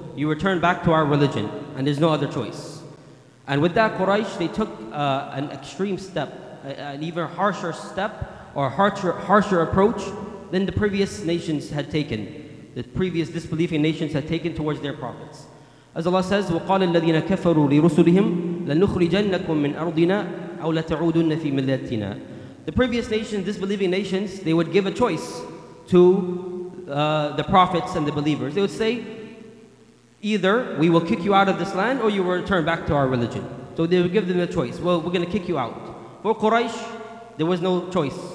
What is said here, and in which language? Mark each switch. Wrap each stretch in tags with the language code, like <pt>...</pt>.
<en>You return back to our religion, and there's no other choice. And with that, Quraysh, they took an extreme step, an even harsher step, or harsher approach than the previous nations had taken. The previous disbelieving nations had taken towards their prophets. As Allah says,</en> <ar>وَقَالَ الَّذِينَ كَفَرُوا لِرُسُلِهِمْ لَنُخْرِجَنَّكُمْ مِنْ أَرْضِنَا أَوْ لَتَعُودُنَّ فِي مِلَّتِنَا.</ar> <en>The previous nations, disbelieving nations, they would give a choice to the prophets and the believers. They would say, either we will kick you out of this land or you will return back to our religion. So they would give them a choice. Well, we're going to kick you out. For Quraysh, there was no choice.</en>